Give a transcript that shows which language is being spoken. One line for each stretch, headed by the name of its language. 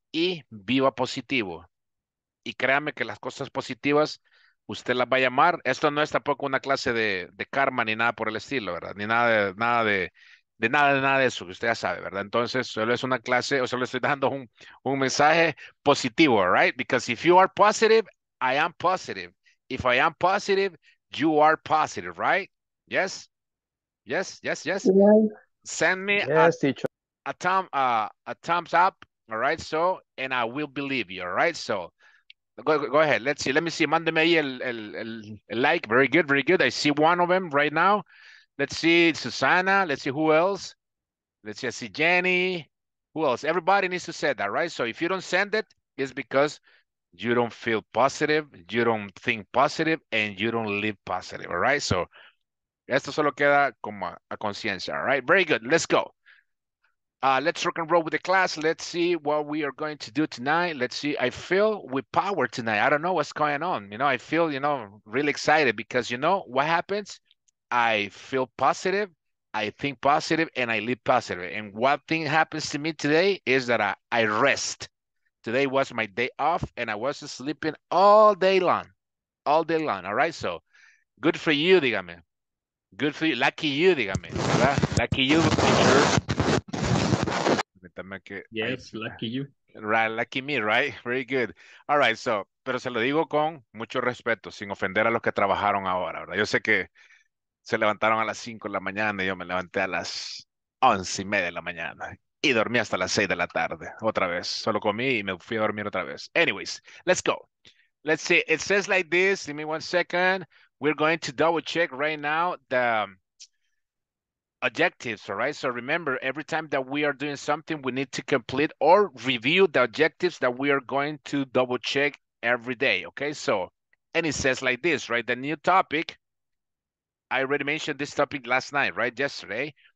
Spanish: y viva positivo. Y créame que las cosas positivas, usted las va a llamar. Esto no es tampoco una clase de karma ni nada por el estilo, ¿verdad? Ni nada de eso, que usted ya sabe, ¿verdad? Entonces, solo es una clase, o solo estoy dando un mensaje positivo, right?
English: Because if you are positive, I am positive. If I am positive, you are positive, right? Yes? Yes, yes, yes. Send me a thumbs up, all right? So, and I will believe you, all right? So, go ahead. Let's see. Let me see.
Spanish: Mándeme ahí el like.
English: Very good, very good. I see one of them right now. Let's see, Susana. Let's see who else. Let's see, I see Jenny. Who else? Everybody needs to say that, right? So if you don't send it, it's because you don't feel positive, you don't think positive, and you don't live positive, all right?
Spanish: So esto solo queda como a conciencia, all right?
English: Very good. Let's go. Let's rock and roll with the class. Let's see what we are going to do tonight. Let's see. I feel with power tonight. I don't know what's going on. You know, I feel, you know, really excited because, you know, what happens? I feel positive, I think positive, and I live positive. And one thing happens to me today is that I rest. Today was my day off, and I was sleeping all day long. All day long, all right? So, good for you, dígame. Good for you. Lucky you, dígame. ¿Verdad? Lucky you, teacher. Yes, lucky you. Right, lucky me, right? Very good.
Spanish: All right, so, pero se lo digo con mucho respeto, sin ofender a los que trabajaron ahora, ¿verdad? Yo sé que se levantaron a las 5 de la mañana y yo me levanté a las 11:30 de la mañana y dormí hasta las 6 de la tarde otra vez. Solo comí y me fui a dormir otra vez.
English: Anyways, let's go. Let's see. It says like this. Give me 1 second. We're going to double check right now the objectives, all right? So remember, every time that we are doing something, we need to complete or review the objectives that we are going to double check every day, okay? So, and it says like this, right? The new topic. I already mentioned this topic last night, right? Yesterday.